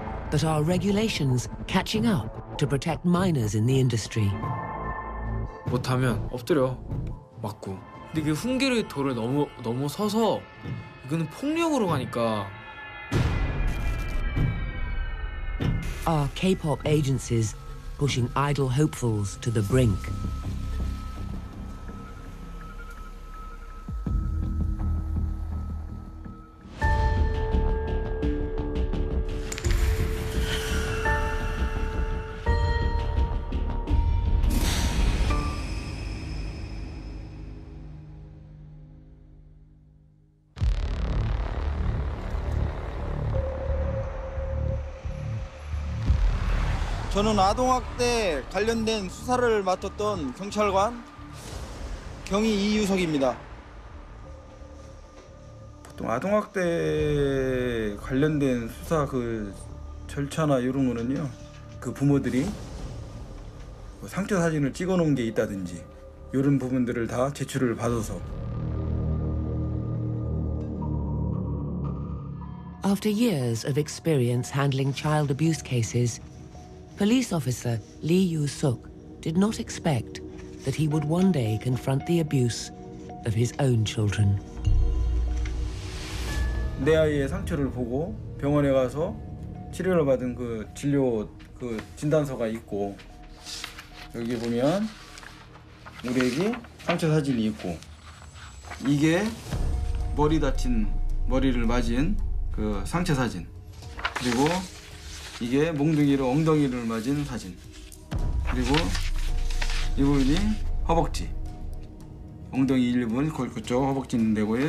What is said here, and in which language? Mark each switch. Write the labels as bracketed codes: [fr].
[en] But are regulations catching up to protect minors in the industry? [ko] 못하면 엎드려 맞고. 근데 그 훈계를 도를 너무 서서 이거는 폭력으로 가니까. [en] Are K-pop agencies pushing idol hopefuls to the brink? [ko] 저는 아동학대 관련된 수사를 맡았던 경찰관 경위 이유석입니다. 보통 아동학대 관련된 수사 그 절차나 이런 거는요, 그 부모들이 뭐 상처 사진을 찍어놓은 게 있다든지 이런 부분들을 다 제출을 받아서. [en] After years of experience handling child abuse cases, Police officer Lee Yoo-suk did not expect that he would one day confront the abuse of his own children. [ko] 내 아이의 상처를 보고 병원에 가서 치료를 받은 그 진료 그 진단서가 있고, 여기 보면 우리 애기 상처 사진이 있고, 이게 머리를 맞은 그 상처 사진, 그리고 이게 몽둥이로 엉덩이를 맞은 사진, 그리고 이 부분이 허벅지, 엉덩이 일부분 그쪽 허벅지 있는 데고요.